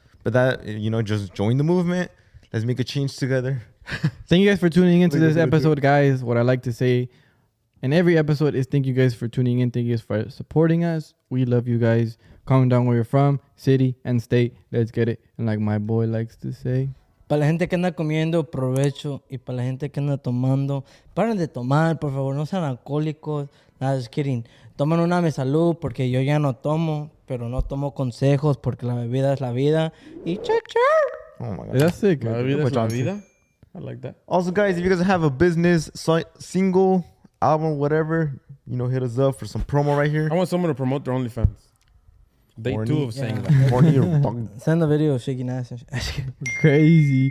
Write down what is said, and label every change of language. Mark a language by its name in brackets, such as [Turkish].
[English] But that, you know, just join the movement. Let's make a change together. Thank you guys for tuning into this episode, guys. What I like to say in every episode is thank you guys for tuning in. Thank you guys for supporting us. We love you guys. Comment down where you're from, city, and state. Let's get it. And like my boy likes to say, [Spanish] para la gente que anda comiendo, provecho. Y para la gente que anda tomando, paren de tomar, por favor. No sean alcohólicos. Nada, [English] just kidding. [Spanish] Tomen una me salud porque yo ya no tomo, pero no tomo consejos porque la bebida es la vida. Y cha-cha. [English] Oh my God. That's sick. [Spanish] La bebida es la vida. [English] I like that. Also, guys, if you guys have a business, single, album, whatever, you know, hit us up for some promo right here. I want someone to promote their OnlyFans. They too have saying that. Send a video of shaking ass. Crazy.